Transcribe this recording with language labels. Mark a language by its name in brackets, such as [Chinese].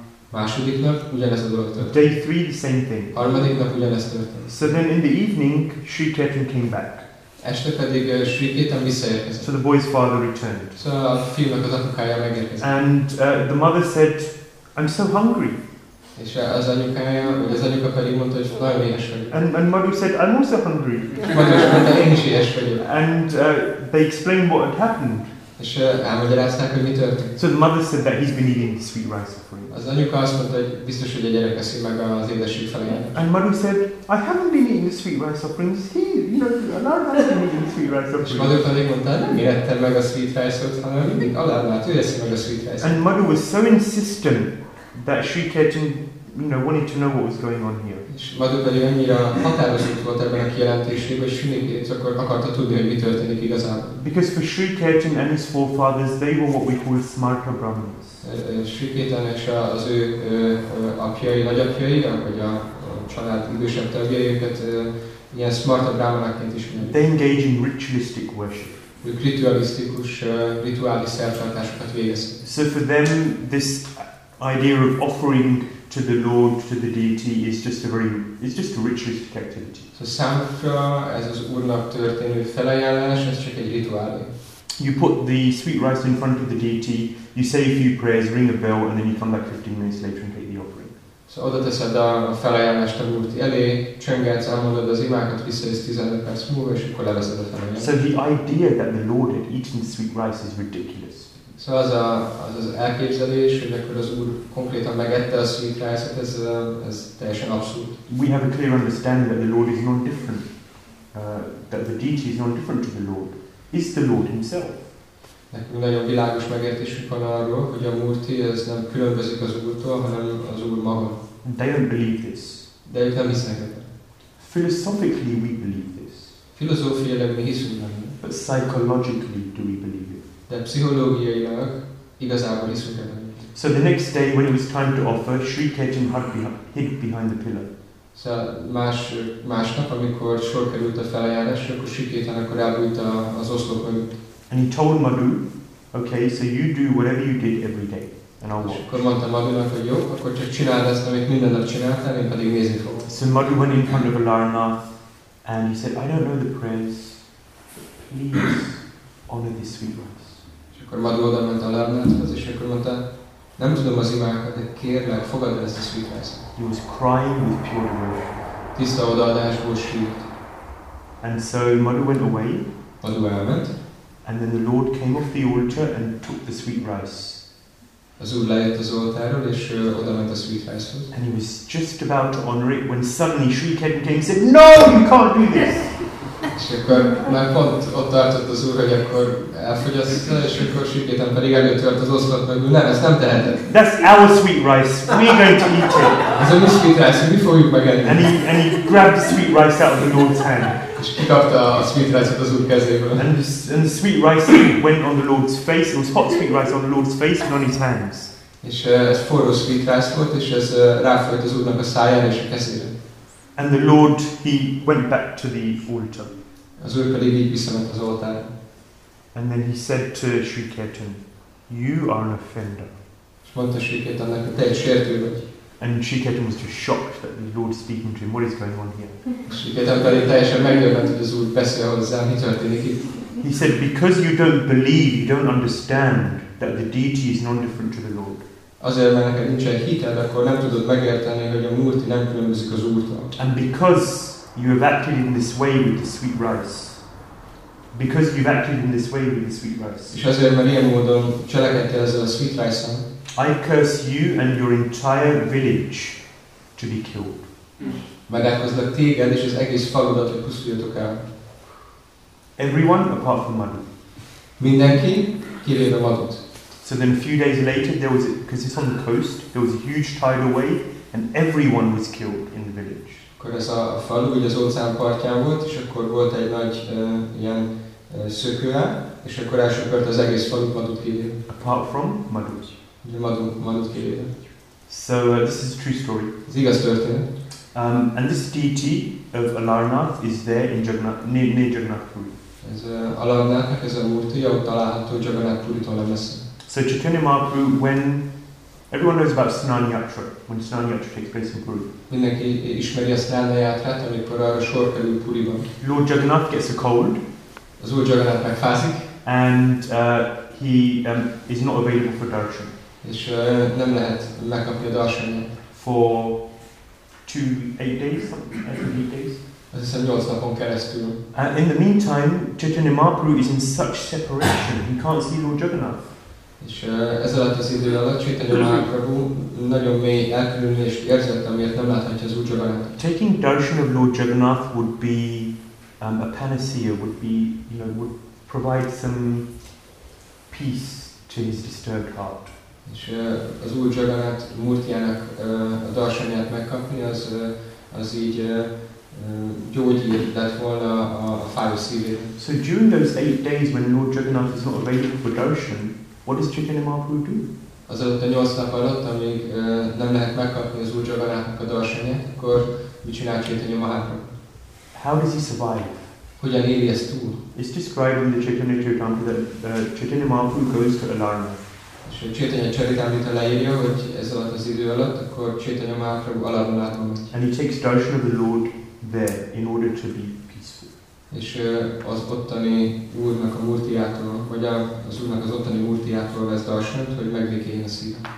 [Hungarian] Második nap, ugyanez a dolog történt. [English] Day three, the same thing. [Hungarian] Harmadik nap, ugyanez történt. [English] So then in the evening, Sri Ketan came back. [Hungarian] Este pedig Sri Ketan visszaérkezett. [English] So the boy's father returned. [Hungarian] So a fiúnak az apukája megérkezett. [English] And the mother said, I'm so hungry. [Hungarian] És az anyukája, vagy az anyuka pedig mondta, hogy nagyon éhes vagyok. [English] And Madhu said, I'm also hungry. [Hungarian] Madhu mondta, én is éhes vagyok. [English] And they explained what had happened. [Hungarian] És elmagyarázták, hogy mi történt. [English] So the mother said that he's been eating the sweet rice for you. [Hungarian] Az anyuka azt mondta, hogy biztos, hogy a gyerek eszi meg az édesség felé. [English] And Madhu said, I haven't been eating the sweet rice offering, it's here. You know, been eating the sweet rice offering. [Hungarian] És Madhu pedig mondta, nem meg a sweet rice-ot, hanem mindig Alarnath, ő eszi meg a sweet rice-ot. [English] And Madhu was so insistent that Sri Ketan, you know, wanted to know what was going on here. [Hungarian] És Madhu pedig annyira határozott volt ebben a kijelentésében, hogy Sri Ketan akkor akarta tudni, hogy mi történik igazán. [English] Because for Sri Ketan and his forefathers, they were what we call smarta brahmins. [Hungarian] Sri Ketan és az ő apjai, nagyapjai, vagy a család idősebb tagjai, őket ilyen smarta brahmanaként ismerik. [English] They engage in ritualistic worship. [Hungarian] ritualisztikus, rituális szertartásokat végeztek. [English] So for them this idea of offering to the Lord, to the deity is just a very, it's just a ritualistic activity. [Hungarian] So számukra ez az Úrnak történő felajánlás, ez csak egy rituálé. [English] You put the sweet rice in front of the deity, you say a few prayers, ring a bell, and then you come back 15 minutes later and take the offering. [Hungarian] So oda teszed a felajánlást a Úrti elé, csöngetsz, elmondod az imákat, visszajössz 15 perc múlva, és akkor leveszed a felajánlást. [English] So the idea that the Lord had eaten sweet rice is ridiculous. [Hungarian] So az elképzelés, hogy akkor az Úr konkrétan megette a sweet rice-et, ez teljesen abszurd. [English] We have a clear understanding that the Lord is not different, that the deity is not different to the Lord. Is the Lord himself. [Hungarian] Nekünk nagyon világos megértésük van arról, hogy a Murti ez nem különbözik az Úrtól, hanem az Úr maga. [English] They don't believe this. [Hungarian] De ők nem hisznek ebben. [English] Philosophically we believe this. [Hungarian] Filozófiailag mi hiszünk benne. [English] But psychologically do we believe it. [Hungarian] De pszichológiailag igazából hiszünk ebben. [English] So the next day when it was time to offer, Sri Ketan hid behind the pillar. [Hungarian] Szóval másnap, amikor sor került a felajánlásra, akkor Siketan akkor elbújt az oszlop mögött. [English] And he told Madhu, okay, so you do whatever you did every day, and I'll watch. [Hungarian] Akkor mondta Madhunak, hogy jó, akkor csak csináld ezt, amit minden nap csináltál, én pedig nézni fogok. [English] So Madhu went in front of Alarnath, and he said, I don't know the prayers, please honor this sweet rice. [Hungarian] És akkor Madhu oda ment Alarnathhoz, és akkor mondta, nem tudom az imákat, de kérlek, fogadd ezt a sweet rice. [English] He was crying with pure devotion. [Hungarian] Tiszta odaadásból sírt. [English] And so Madhu went away. [Hungarian] Madhu elment. [English] And then the Lord came off the altar and took the sweet rice. [Hungarian] Az Úr lejött az oltáról, és oda ment a sweet rice-hoz. [English] And he was just about to honor it when suddenly Sri Ketan came and said, no, you can't do this! [Hungarian] És akkor már pont ott tartott az Úr, hogy akkor elfogyasztotta, és akkor Sri Ketan pedig előtört az oszlop meg, hogy nem, ezt nem teheted. [English] That's our sweet rice, we're going to eat it. [Hungarian] Ez a mi sweet rice, mi fogjuk megenni. [English] And he grabbed the sweet rice out of the Lord's hand. [Hungarian] És kikapta a sweet rice-ot az Úr kezéből. [English] And the sweet rice went on the Lord's face, it was hot sweet rice on the Lord's face and on his hands. [Hungarian] És ez forró sweet rice volt, és ez ráfolyt az Úrnak a száján és a kezében. [English] And the Lord, he went back to the altar. [Hungarian] Az Úr pedig így visszament az oltára. [English] And then he said to Sri Ketan, you are an offender. [Hungarian] És mondta Sri Ketannek, te egy sértő vagy. [English] And Sri Ketan was just shocked that the Lord is speaking to him. What is going on here? [Hungarian] Sri Ketan pedig teljesen megdöbbent, hogy az Úr beszél hozzá, mi történik itt. [English] He said, because you don't believe, you don't understand that the deity is not different to the Lord. [Hungarian] Azért, mert neked nincsen hited, akkor nem tudod megérteni, hogy a Murti nem különbözik az Úrtól. [English] And because you have acted in this way with the sweet rice, because you've acted in this way with the sweet rice. [Hungarian] És azért, mert ilyen módon cselekedtél ezzel a sweet rice-on. [English] I curse you and your entire village to be killed. [Hungarian] Megáldozlak téged és az egész faludat, hogy pusztuljatok el. [English] Everyone apart from Madhu. [Hungarian] Mindenki, kivéve Madhut. [English] So then a few days later, there was, because it's on the coast, there was a huge tidal wave and everyone was killed in the village. [Hungarian] Akkor ez a falu, ugye az óceán partján volt, és akkor volt egy nagy ilyen szökőre, és akkor elsöpört az egész falu Madhut kivéve. [English] Apart from Madhu. [Hungarian] Madhut kivéve. [English] So this is a true story. [Hungarian] Ez igaz történet. [English] And this deity of Alarnath is there in near Jagannath Puri. [Hungarian] Ez Alarnathnak ez a murti, ahol található Jagannath Puri-tól nem messze. [English] So Chaitanya Mahaprabhu, when everyone knows about Snana Yatra, when Snana Yatra takes place in Puri. [Hungarian] Mindenki ismeri a Snana Yatrát, amikor arra sor kerül Puriban. [English] Lord Jagannath gets a cold. [Hungarian] Az Úr Jagannath megfázik. [English] And he is not available for darshan. [Hungarian] És nem lehet megkapni a darshanját. [English] For 2-8 days, something, 8 days. [Hungarian] Azt hiszem 8 napon keresztül. [English] And in the meantime, Chaitanya Mahaprabhu is in such separation, he can't see Lord Jagannath. [Hungarian] És ez alatt az idő alatt Chaitanya Mahaprabhu nagyon mély elkülönülést érzett, amiért nem láthatja az Úr Jagannath. [English] Taking darshan of Lord Jagannath would be a panacea, would be, you know, would provide some peace to his disturbed heart. [Hungarian] És az Úr Jagannath Murtiának a darshanját megkapni, az így gyógyír lett volna a fájó szívére. [English] So during those 8 days when Lord Jagannath is not available for darshan, what does Chaitanya Mahaprabhu do? [Hungarian] Az alatt a 8 nap alatt, amíg nem lehet megkapni az Úr Jagannathnak a darshanját, akkor mit csinál Chaitanya Mahaprabhu? [English] How does he survive? [Hungarian] Hogyan éri ezt túl? [English] It's described in the Chaitanya Charitamrita that Chaitanya Mahaprabhu goes to Alaya. [Hungarian] És a Chaitanya Charitamrita leírja, hogy ez alatt az idő alatt, akkor Chaitanya Mahaprabhu Alarunát megy. [English] And he takes darshan of the Lord there in order to be peaceful. [Hungarian] És az ottani úrnak a murtiától, vagy az úrnak az ottani murtiától vesz darshant, hogy megbékéljen a szíve.